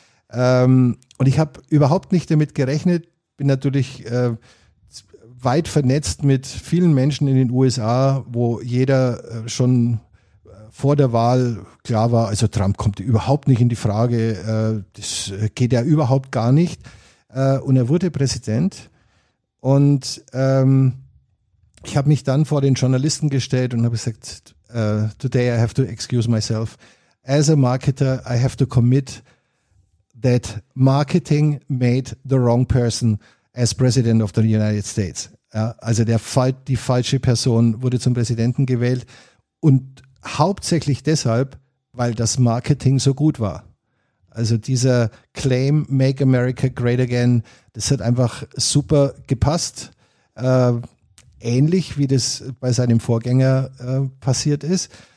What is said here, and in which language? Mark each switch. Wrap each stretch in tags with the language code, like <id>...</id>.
<de>Und ich habe überhaupt nicht damit gerechnet, bin natürlich weit vernetzt mit vielen Menschen in den USA, wo jeder schon vor der Wahl klar war, also Trump kommt überhaupt nicht in die Frage, das geht ja überhaupt gar nicht. Und er wurde Präsident. Und ich habe mich dann vor den Journalisten gestellt und habe gesagt,</de> <en>today I have to excuse myself. As a marketer, I have to commit that marketing made the wrong person as President of the United States.</en> <de>Ja, also die falsche Person wurde zum Präsidenten gewählt und hauptsächlich deshalb, weil das Marketing so gut war. Also dieser Claim, Make America Great Again, das hat einfach super gepasst, ähnlich wie das bei seinem Vorgänger passiert ist.</de>